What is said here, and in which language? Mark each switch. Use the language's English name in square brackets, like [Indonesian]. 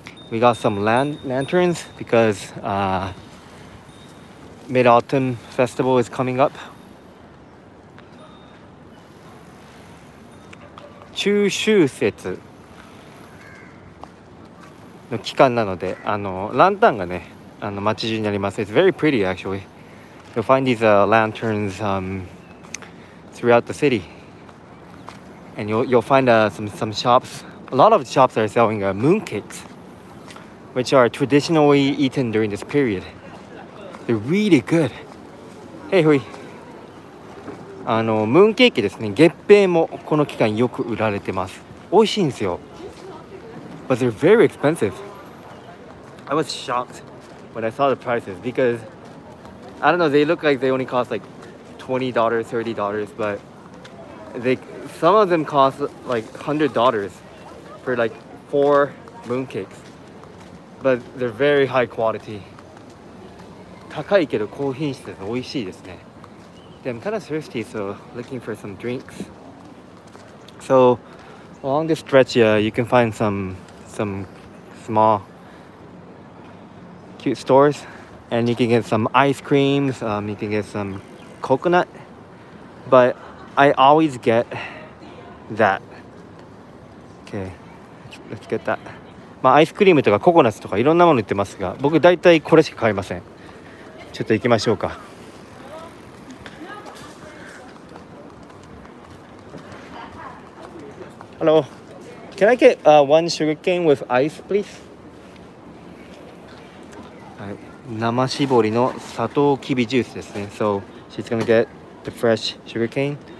[English] We got some lanterns because Mid-Autumn Festival is coming up. [Japanese] 中秋節の期間なので、あのランタンがね、あの街中にあります。 [English] It's very pretty actually. You'll find these lanterns throughout the city, and you'll find some shops. A lot of shops are selling moon cakes, which are traditionally eaten during this period. They're really good. Hey, Hui. [Japanese] あのムーンケーキですね。月餅もこの期間よく売られてます。美味しいんですよ。 [English] But they're very expensive. I was shocked when I saw the prices because I don't know. They look like they only cost like $20, $30, but some of them cost like $100 for like 4 mooncakes. But they're very high quality. [Japanese] 高いけど高品質で美味しいですね。 [English] で、I'm kind of thirsty, so looking for some drinks. So along this stretch, yeah, you can find some small cute stores, and you can get some ice creams, you can get some coconut, but I always get that. Okay, let's get that. [Japanese] まあアイスクリームとかココナッツとかいろんなもの売ってますが、僕大体これしか買いません。ちょっと行きましょうか。 [English] Hello, can I get one sugar cane with ice, please? [Japanese] はい、生搾りの砂糖きびジュースですね。 [English] So she's gonna get the fresh sugar cane.